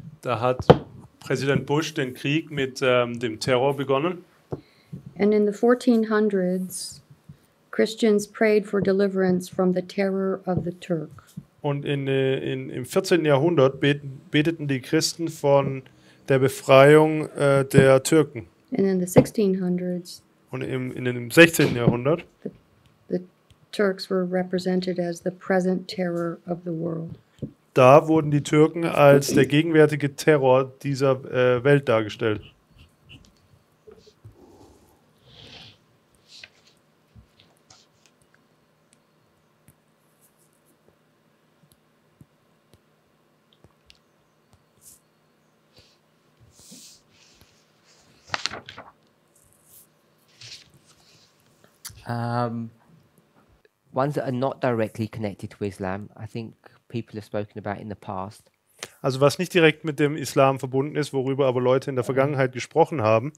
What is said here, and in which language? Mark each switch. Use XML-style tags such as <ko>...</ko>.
<de>Da hat Präsident Bush den Krieg mit dem Terror begonnen.</de> <en>And in the 1400s, Christians prayed for deliverance from the terror of the Turk.</en> <de>Und im 14. Jahrhundert beteten die Christen von der Befreiung der Türken.</de> <en>And in the 1600s,</en> <de>und im 16. Jahrhundert,</de> <en>the Turks were represented as the present terror of the world.</en> <de>Da wurden die Türken als der gegenwärtige Terror dieser Welt dargestellt.</de> <en>Ones that are not directly connected to Islam, I think people have spoken about in the past.</en> <de>Also was nicht direkt mit dem Islam verbunden ist, worüber aber Leute in der Vergangenheit gesprochen haben.</de>